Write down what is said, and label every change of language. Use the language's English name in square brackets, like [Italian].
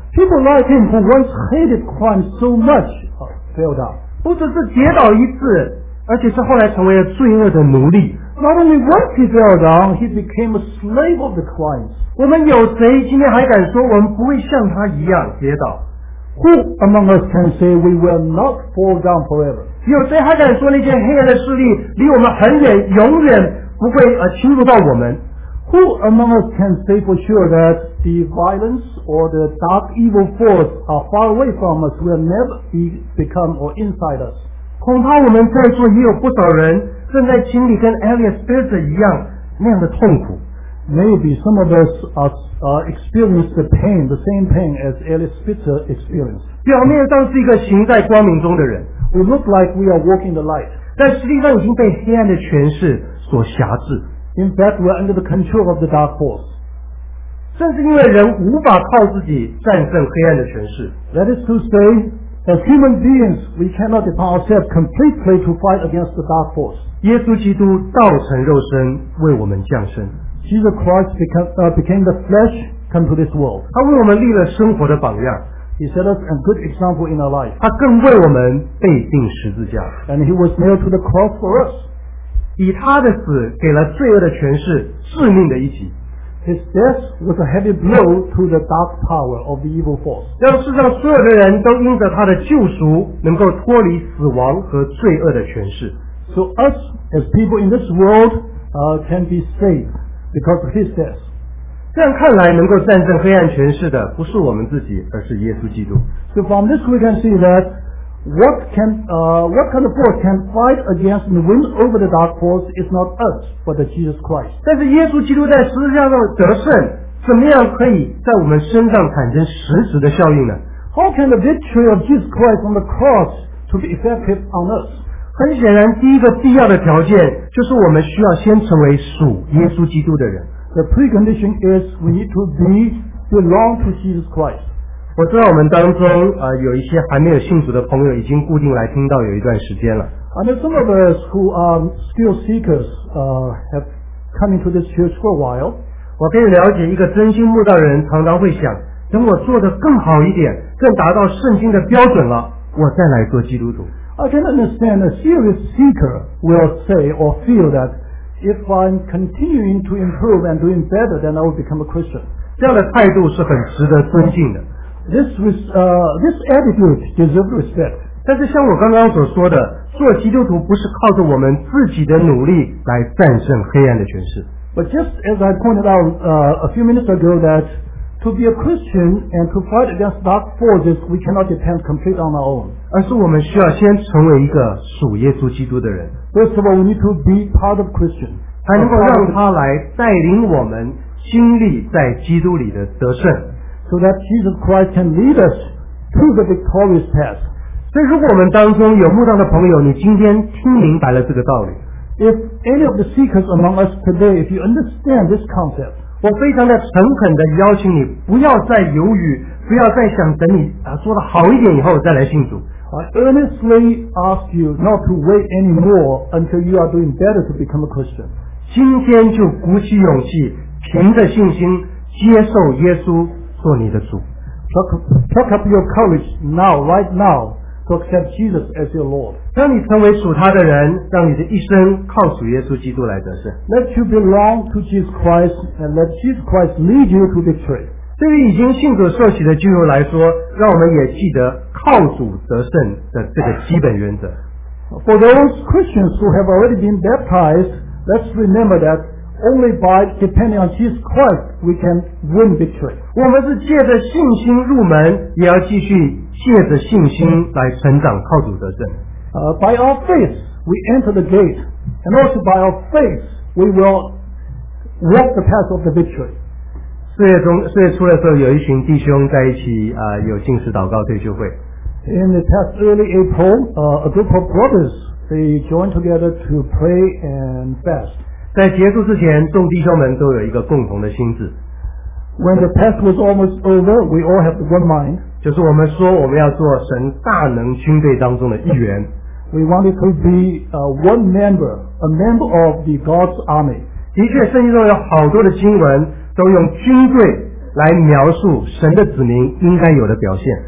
[English] People like him who once hated crime so much, fell down. [Chinese] 不只是跌倒一次，而且是后来成为了罪恶的奴隶。 [English] Not only once he fell down, he became a slave of the crimes. [Chinese] 我们有谁今天还敢说我们不会像他一样跌倒？ [English] Who among us can say we will not fall down forever? [Chinese] 有谁还敢说那些黑暗的势力离我们很远，永远不会侵入到我们？ [English] Who among us can say for sure that the violence or the dark evil force are far away from us, will never be become or inside us? [Chinese] 恐怕我们在座也有不少人正在经历跟 Elias Bitter 一样那样的痛苦。 [English] Maybe some of us are experienced the pain, the same pain as Elias Bitter experienced. [Chinese] 表面上是一个行在光明中的人。 [English] We look like we are walking the light. [Chinese] 但实际上已经被黑暗的权势所辖制。 [English] In fact, we are under the control of the dark force. [Chinese] 甚至因为人无法靠自己战胜黑暗的权势。 [English] That is to say,As human beings, we cannot depend ourselves completely to fight against the dark force. [Chinese] 耶稣基督道成肉身为我们降生。 [English] Jesus Christ became the flesh come to this world. [Chinese] 他为我们立了生活的榜样。 [English] He set us a good example in our life. [Chinese] 他更为我们被钉十字架。 [English] And he was nailed to the cross for us. [Chinese] 以他的死给了罪恶的权势致命的一击。 [English] His death was a heavy blow to the dark power of the evil force. [Chinese] 让世上所有的人都因着他的救赎能够脱离死亡和罪恶的权势。 [English] So us as people in this world, can be saved because of his death. [Chinese] 这样看来能够战胜黑暗权势的不是我们自己而是耶稣基督。 [English] So from this we can see that what kind of force can fight against and win over the dark force is not us, but Jesus Christ. [Chinese] 但是耶稣基督在十字架上得胜，怎么样可以在我们身上产生实质的效应呢？ [English] How can the victory of Jesus Christ on the cross to be effective on us? [Chinese] 很显然，第一个必要的条件就是我们需要先成为属耶稣基督的人。 [English] The precondition is we need to belong to Jesus Christ. [Chinese] 我知道我们当中有一些还没有信主的朋友已经固定来听到有一段时间了。 [English] I know some of us who are still seekers have come into this church for a while. [Chinese] 我可以了解一个真心慕道人常常会想，等我做得更好一点，更达到圣经的标准了，我再来做基督徒。 [English] I can understand a serious seeker will say or feel that if I'm continuing to improve and doing better, then I will become a Christian. [Chinese] 这样的态度是很值得尊敬的。 [English] This attitude deserves respect. [Chinese] 但是像我刚刚所说的，做基督徒不是靠着我们自己的努力来战胜黑暗的权势。 [English] But just as I pointed out a few minutes ago that to be a Christian and to fight against dark forces, we cannot depend completely on our own. [Chinese] 而是我们需要先成为一个属耶稣基督的人。 [English] First of all, we need to be part of Christian. [Chinese] 才能够让他来带领我们经历在基督里的得胜。 [English] So that Jesus Christ can lead us to the victorious path. [Chinese] 所以如果我们当中有慕道的朋友，你今天听明白了这个道理。 [English] If any of the seekers among us today, if you understand this concept, [Chinese] 我非常的诚恳的邀请你，不要再犹豫，不要再想等你说的好一点以后再来信主。 [English] I earnestly ask you not to wait anymore until you are doing better to become a Christian. [Chinese] 今天就鼓起勇气，凭着信心接受耶稣做你的主。 [English] Pluck up your courage now, right now, to accept Jesus as your Lord. [Chinese] 当你成为属他的人，让你的一生靠属耶稣基督来得胜。 [English] Let you belong to Jesus Christ and let Jesus Christ lead you to victory. [Chinese] 对于已经信主受洗的基督徒来说，让我们也记得靠主得胜的这个基本原则。 [English] For those Christians who have already been baptized, let's remember that. Only by depending on Jesus Christ, we can win victory. [Chinese] 我们是借着信心入门，也要继续借着信心来成长，靠主得胜。 [English] By our faith, we enter the gate, and also by our faith, we will walk the path of the victory. [Chinese] 四月初的时候，有一群弟兄在一起有进食祷告退休会。 [English] In the past early April, a group of brothers they joined together to pray and fast. [Chinese] 在结束之前，众弟兄们都有一个共同的心志。 [English] When the test was almost over, we all have one mind. [Chinese] 就是我们说我们要做神大能军队当中的一员。 [English] We wanted to be one member, a member of the God's army. [Chinese] 的确，圣经中有好多的经文都用军队来描述神的子民应该有的表现。